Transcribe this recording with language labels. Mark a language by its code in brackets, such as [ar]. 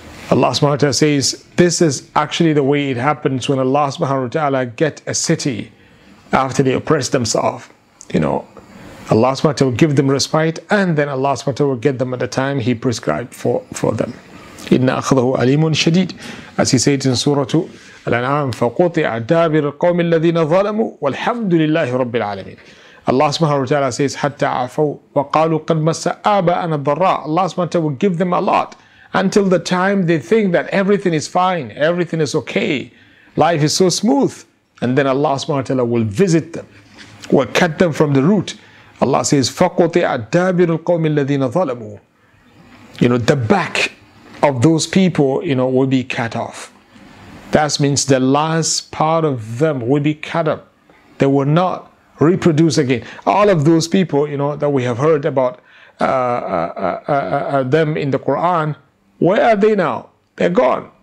[en] Allah subhanahu wa ta'ala says, this is actually the way it happens when Allah subhanahu wa ta'ala get a city after they oppress themselves. You know, Allah subhanahu wa ta'ala will give them respite, and then Allah subhanahu wa ta'ala will get them at the time he prescribed for them. [ar] إِنَّ أَخْذَهُ أَلِيمٌ شَدِيدٌ. [en] As he said in Surah Al-An'am, [ar] فَقُطِعَ دَابِرُ الْقَوْمِ الَّذِينَ ظَلَمُوا وَالْحَمْدُ لِلَّهِ رَبِّ الْعَالَمِينَ. [en] Allah subhanahu wa ta'ala says, [ar] حَتَّى عَفَوْا وَقَالُوا قَدْ مَسَّأَبَ أَنَا الضَّرَّاءَ. [en] Allah subhanahu wa ta'ala will give them a lot until the time they think that everything is fine, everything is okay, life is so smooth. And then Allah subhanahu wa ta'ala will visit them, will cut them from the root. Allah says, [ar] فَقُطِعَ دَابِرُ الْقَوْمِ الَّذِينَ ظَلَمُوا. [en] You know, the back of those people, you know, will be cut off. That means the last part of them will be cut up. They will not reproduce again. All of those people, you know, that we have heard about them in the Quran, where are they now? They're gone.